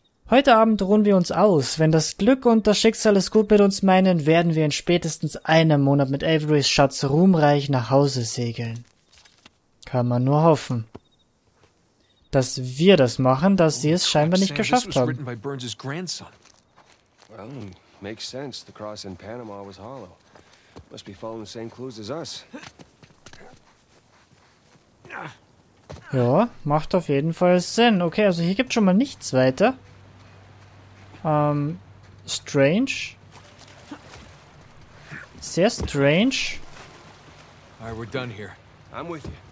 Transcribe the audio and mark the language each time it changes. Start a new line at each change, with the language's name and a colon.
German: Heute Abend ruhen wir uns aus. Wenn das Glück und das Schicksal es gut mit uns meinen, werden wir in spätestens einem Monat mit Averys Schatz ruhmreich nach Hause segeln. Kann man nur hoffen. Dass wir das machen, dass sie es scheinbar nicht geschafft haben. Das wurde von Burns' Grandson.
English: Well, makes sense. The cross in Panama was hollow. Must be following the same clues as us.
German: Ja, macht auf jeden Fall Sinn. Okay, also hier gibt's schon mal nichts weiter.
English: Strange.
German: Sehr strange.
English: Alright, we're done here. I'm with you.